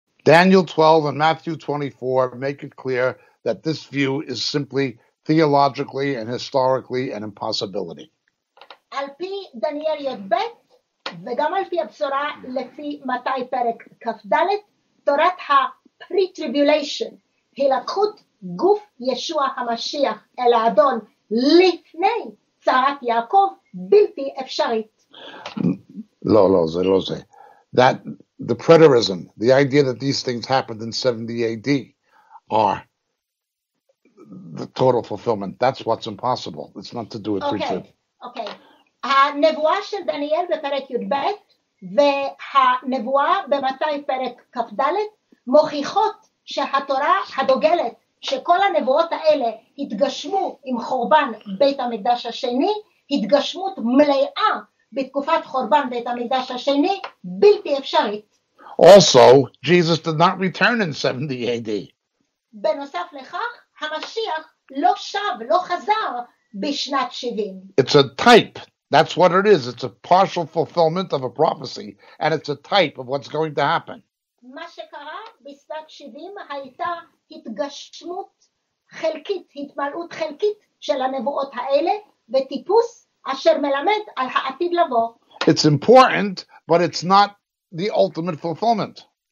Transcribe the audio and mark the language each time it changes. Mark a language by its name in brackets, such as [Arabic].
[English] Daniel 12 and Matthew 24 make it clear that this view is simply theologically and historically an impossibility. [Hebrew] על פי דניאל י"ב וגם על פי הבשורה לפי מתי פרק כ"ד, תורת ה-pre-tribulation, הילקחות גוף ישוע המשיח אל האדון לפני צרת יעקב, בלתי אפשרית. לא, לא, זה לא זה. [English] That the preterism, the idea that these things happened in 70 AD, are the total fulfillment. That's what's impossible. It's not to do with pre-trib. Okay. [Hebrew] הנבואה של דניאל בפרק י"ב והנבואה במתי פרק כ"ד מוכיחות שהתורה הדוגלת שכל הנבואות האלה התגשמו עם חורבן בית המקדש השני, התגשמות מלאה בתקופת חורבן בית המקדש השני, בלתי אפשרית. [English] Also, Jesus did not return in 70 AD. [Hebrew] בנוסף לכך, המשיח לא שב, לא חזר בשנת 70. [English] It's a type. That's what it is. It's a partial fulfillment of a prophecy, and it's a type of what's going to happen. [Hebrew] מה שקרה בשנת 70 הייתה התגשמות חלקית, התמלאות חלקית של הנבואות האלה, וטיפוס אשר מלמד על העתיד לבוא. [English] It's important, but it's not the ultimate fulfillment.